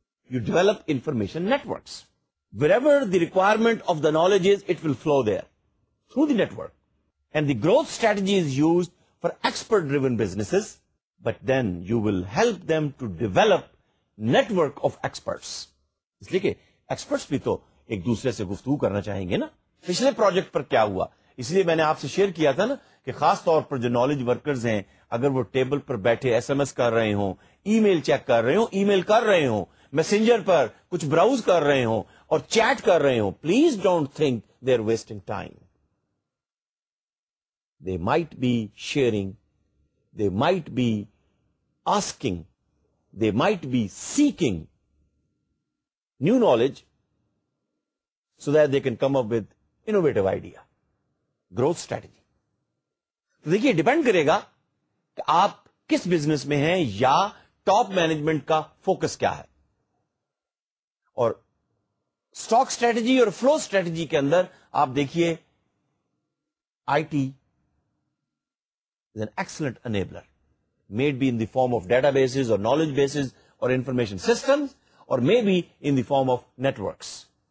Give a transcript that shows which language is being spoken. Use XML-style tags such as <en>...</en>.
<en>You develop information networks. Wherever the requirement of the knowledge is, it will flow there through the network. And the growth strategy is used for expert-driven businesses, but then you will help them to develop network of experts.</en> <ur>اس لیے کہ experts بھی تو ایک دوسرے سے گفتگو کرنا چاہیں گے نا. پچھلے پروجیکٹ پر کیا ہوا, اس لیے میں نے آپ سے شیئر کیا تھا نا کہ خاص طور پر جو نالج ورکرز ہیں, اگر وہ ٹیبل پر بیٹھے ایس ایم ایس کر رہے ہوں, ای میل چیک کر رہے ہوں, ای میل کر رہے ہوں, میسنجر پر کچھ براؤز کر رہے ہوں اور چیٹ کر رہے ہوں,</ur> <en>Please don't think they are wasting time. They might be sharing, they might be asking, they might be seeking new knowledge so that they can come up with innovative idea, growth strategy.</en> <ur>تو دیکھیے depend کرے گا کہ آپ کس business میں ہیں یا top management کا فوکس کیا ہے. اور اسٹاک اسٹریٹجی اور فلو اسٹریٹجی کے اندر آپ دیکھیے</ur> <en>IT is an excellent enabler, made be in the form of databases اور knowledge bases اور information system اور may be in the form of networks.</en>